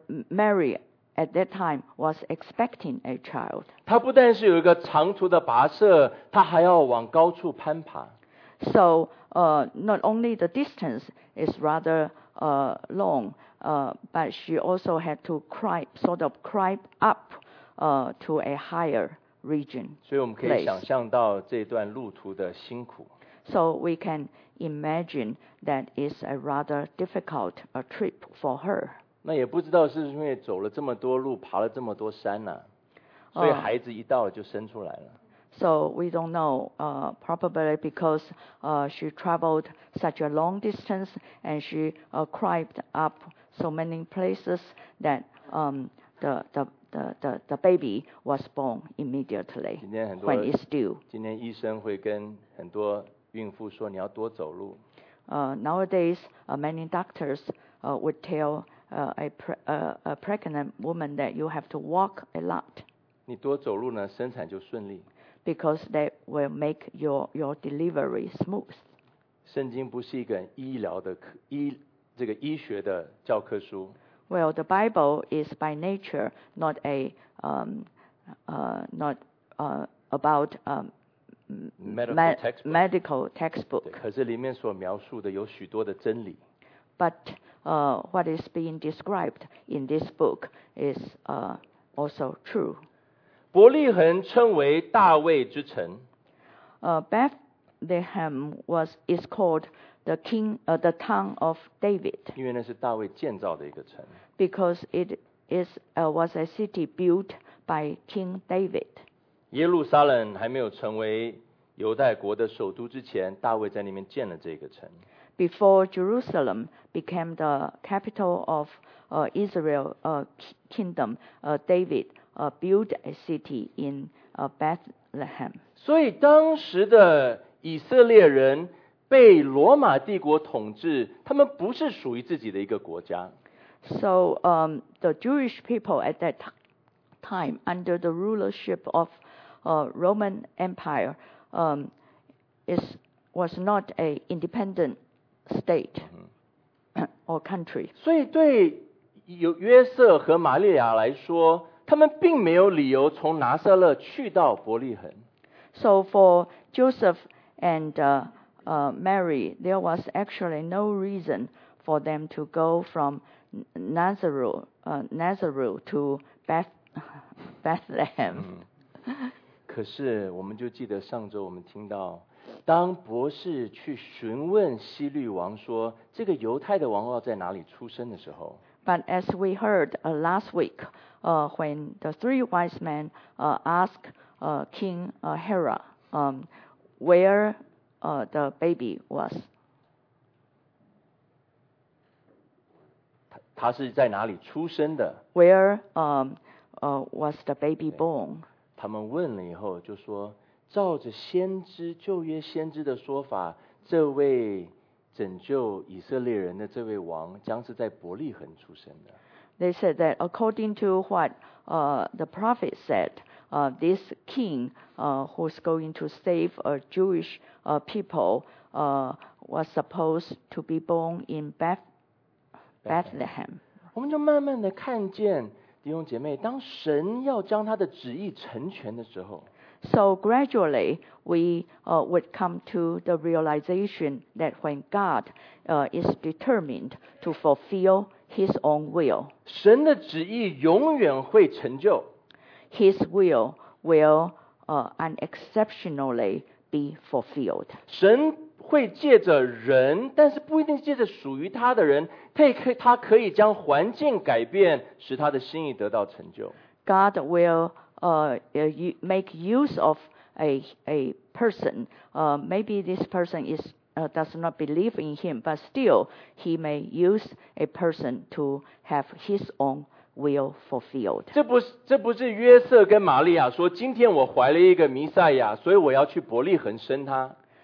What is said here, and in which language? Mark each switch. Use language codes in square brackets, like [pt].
[en] Mary at that time was expecting a child. [zh] 他不但是有一个长途的跋涉，他还要往高处攀爬。 [en] So, not only the distance is rather long, but she also had to climb up to a higher region. [zh] 所以我们可以想象到这段路途的辛苦。 [en] So we can imagine that it's a rather difficult a trip for her. [zh] 那也不知道是因为走了这么多路，爬了这么多山呢、啊，所以孩子一到就生出来了。 [en] So we don't know, probably because she traveled such a long distance and she climbed up so many places that the baby was born immediately when it's due. [zh] 今天医生会跟很多孕妇说你要多走路。 [en] Nowadays, many doctors would tell a pregnant woman that you have to walk a lot. [zh] 你多走路呢，生产就顺利。 [en] Because that will make your delivery smooth. [zh] 圣经不是一个医疗的这个医学的教科书。 [en] Well, the Bible is by nature not a about medical textbook. [zh] 可是里面所描述的有许多的真理。 [en] But what is being described in this book is also true. [zh] 伯利恒称为大卫之城。 [en] Bethlehem is called the town of David. [zh] 因为那是大卫建造的一个城。 [en] Because it is was a city built by King David. [zh] 耶路撒冷还没有成为犹太国的首都之前，大卫在那边建了这个城。 [en] Before Jerusalem became the capital of Israel kingdom, David. Built a city in Bethlehem. [zh] 所以当时的以色列人被罗马帝国统治，他们不是属于自己的一个国家。 [en] So the Jewish people at that time under the rulership of Roman Empire was not an independent state or country. [zh] 所以对约瑟和玛利亚来说，他们并没有理由从拿撒勒去到伯利恒。 [en] So for Joseph and Mary, there was actually no reason for them to go from Nazareth to Bethlehem. [zh] 可是我们就记得上周我们听到，当博士去询问希律王说，这个犹太的王要在哪里出生的时候。 [en] But as we heard last week, when the three wise men asked King Herod where the baby was. [zh] 他是在哪里出生的? [en] Where was the baby born? [zh] 他们问了以后就说，照着先知，旧约先知的说法，这位拯救以色列人的这位王将是在伯利恒出生的。 [en] They said that according to what the prophet said, this king who's going to save a Jewish people was supposed to be born in Bethlehem. [zh] 我们就慢慢的看见弟兄姐妹，当神要将他的旨意成全的时候。 [en] So gradually, we would come to the realization that when God is determined to fulfill His own will, [zh] 神的旨意永远会成就。 [en] His will will unexceptionally be fulfilled. [zh] 神会借着人，但是不一定借着属于他的人，他可以将环境改变，使他的心意得到成就。 [en] God will make use of a person. Maybe this person does not believe in him, but still he may use a person to have his own will fulfilled. [zh] 这不是约瑟跟玛利亚说，今天我怀了一个弥赛亚，所以我要去伯利恒生他。